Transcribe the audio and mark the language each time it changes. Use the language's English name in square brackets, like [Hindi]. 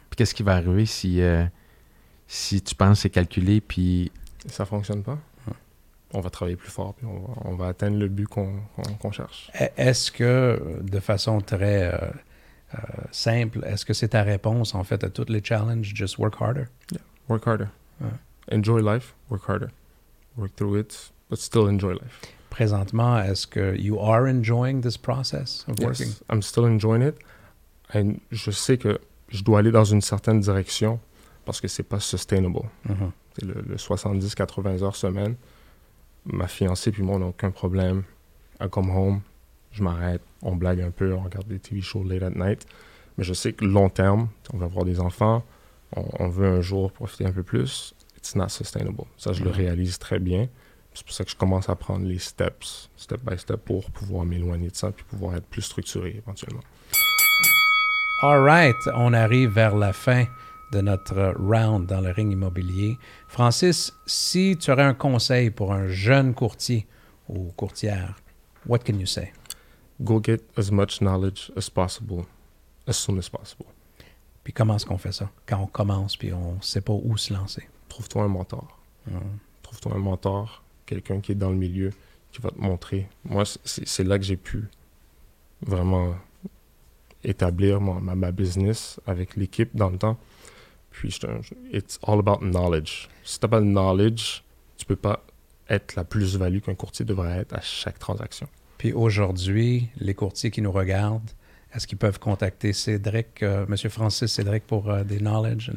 [French] Puis qu'est-ce qui va arriver si tu penses que c'est calculé, puis... Ça fonctionne pas. On va travailler plus fort, puis on va atteindre le but qu'on cherche. Est-ce que, de façon très simple, est-ce que c'est ta réponse, en fait, à tous les challenges? [English] Just work harder? Yeah. Work harder. Enjoy life, work harder. Work through it, but still enjoy life. [French] Présentement, est-ce que [English] you are enjoying this process of working? Yes, I'm still enjoying it. And [French] je sais que je dois aller dans une certaine direction parce que c'est pas sustainable. Mm-hmm. C'est le 70-80 heures semaine. Ma fiancée puis moi, on n'a aucun problème. [English] I come home, [French] je m'arrête, on blague un peu, on regarde des [English] TV shows late at night. [French] Mais je sais que long terme, on va avoir des enfants, on veut un jour profiter un peu plus. [English] It's not sustainable. [French] Ça, je le réalise très bien. C'est pour ça que je commence à prendre les steps, [English] step by step, [French] pour pouvoir m'éloigner de ça puis pouvoir être plus structuré éventuellement. [English] All right. [French] On arrive vers la fin de notre round dans le ring immobilier. Francis, si tu aurais un conseil pour un jeune courtier ou courtière, [English] what can you say? Go get as much knowledge as possible, as soon as possible. [French] Puis comment est-ce qu'on fait ça? Quand on commence puis on ne sait pas où se lancer? Trouve-toi un mentor. Mm. Trouve-toi un mentor, quelqu'un qui est dans le milieu, qui va te montrer. Moi, c'est là que j'ai pu vraiment établir ma business avec l'équipe dans le temps. Puis, [English] it's all about knowledge. [French] Si tu n'as pas de knowledge, tu ne peux pas être la plus-value qu'un courtier devrait être à chaque transaction. Puis aujourd'hui, les courtiers qui nous regardent, est-ce qu'ils peuvent contacter Cédric, M. Francis Cédric pour des knowledge?